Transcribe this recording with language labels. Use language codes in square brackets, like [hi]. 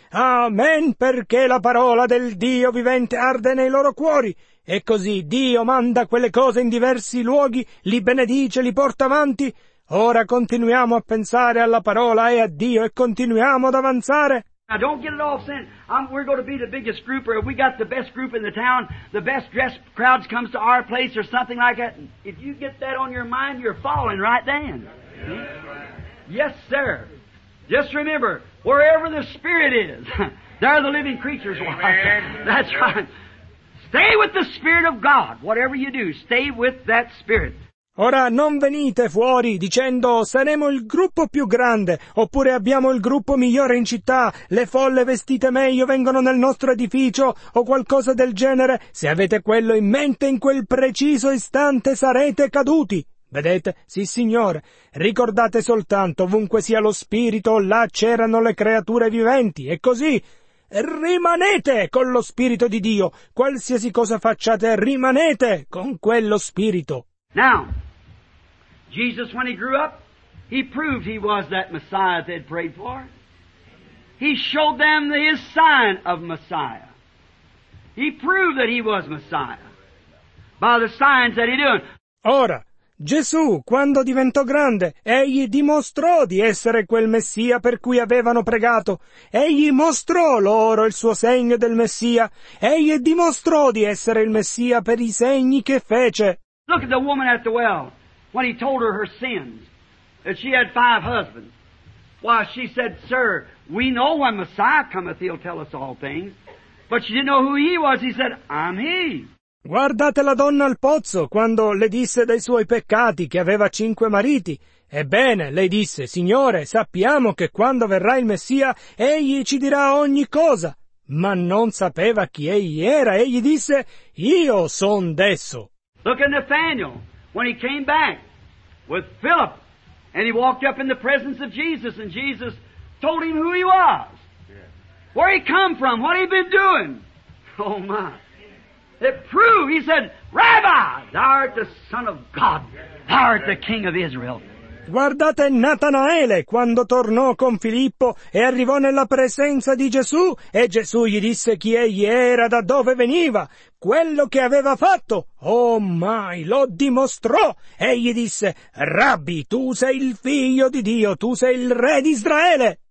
[it] Amen, perché la parola del Dio vivente arde nei loro cuori. E così Dio manda quelle cose in diversi luoghi, li benedice, li porta avanti. Ora continuiamo a pensare alla parola e a Dio e continuiamo ad avanzare. [en] Now don't get it all sent. We're going to be the biggest group, or we got the best group in the town, the best dressed crowds comes to our place or something like that. If you get that on your mind, you're falling right then. Yes, sir. Just remember, wherever the Spirit is, there are the living creatures. That's right. Stay with the Spirit of God. Whatever you do, stay with that Spirit. [it] Ora non venite fuori dicendo saremo il gruppo più grande, oppure abbiamo il gruppo migliore in città, le folle vestite meglio vengono nel nostro edificio o qualcosa del genere. Se avete quello in mente, in quel preciso istante sarete caduti. Vedete? Sì, Signore. Ricordate soltanto, ovunque sia lo Spirito, là c'erano le creature viventi. E così rimanete con lo Spirito di Dio. Qualsiasi cosa facciate, rimanete con quello Spirito. [en] Now, Jesus, when he grew up, he proved he was that Messiah they'd prayed for. He showed them his sign of Messiah. He proved that he was Messiah by the signs that he did. [it] Ora, Gesù, quando diventò grande, egli dimostrò di essere quel Messia per cui avevano pregato. Egli mostrò loro il suo segno del Messia. Egli dimostrò di essere il Messia per i segni che fece. [en] Look at the woman at the well, when he told her her sins, that she had 5 husbands. Why, she said, sir, we know when Messiah cometh, he'll tell us all things. But she didn't know who he was. He said, I'm he. [it] Guardate la donna al pozzo, quando le disse dei suoi peccati, che aveva 5 mariti. Ebbene, lei disse, Signore, sappiamo che quando verrà il Messia, egli ci dirà ogni cosa. Ma non sapeva chi egli era. Egli disse, io son d'esso. [en] Look at Nathanael, when he came back with Philip, and he walked up in the presence of Jesus, and Jesus told him who he was, where he come from, what he'd been doing. Oh, my. It proved, he said, Rabbi, thou art the Son of God, thou art the King of Israel. [it] Guardate Natanaele quando tornò con Filippo e arrivò nella presenza di Gesù, e Gesù gli disse chi egli era, da dove veniva, quello che aveva fatto. Oh mai, lo dimostrò! E gli disse, Rabbi, tu sei il figlio di Dio, tu sei il re di Israele!